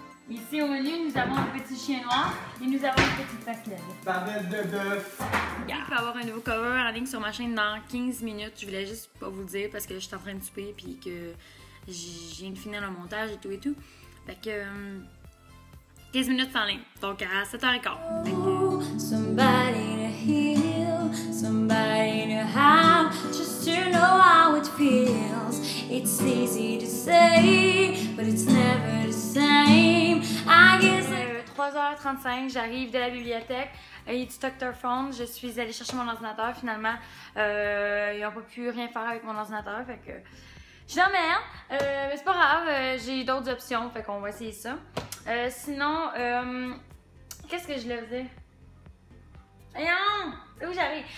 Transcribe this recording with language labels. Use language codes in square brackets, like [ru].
[fr] Ici au menu, nous avons un petit chien noir et nous avons une petite pastelade. Bavette de bœuf. [en] Yeah. [fr] Il va y avoir un nouveau cover en ligne sur ma chaîne dans 15 minutes. Je voulais juste pas vous le dire parce que je suis en train de souper et que j'ai une finale de montage et tout et tout. Fait que 15 minutes en ligne. Donc à 7h15. [en] Somebody to heal, somebody to have, just to know how it feels. It's easy to say, but it's never the same. I guess [fr] 3h35, j'arrive de la bibliothèque. Il est du Dr. Phone. Je suis allée chercher mon ordinateur finalement. Ils n'ont pas pu rien faire avec mon ordinateur. Fait que je suis dans merde. Mais c'est pas grave. J'ai d'autres options. Fait qu'on va essayer ça. Sinon, qu'est-ce que je le faisais? Non! C'est où j'arrive?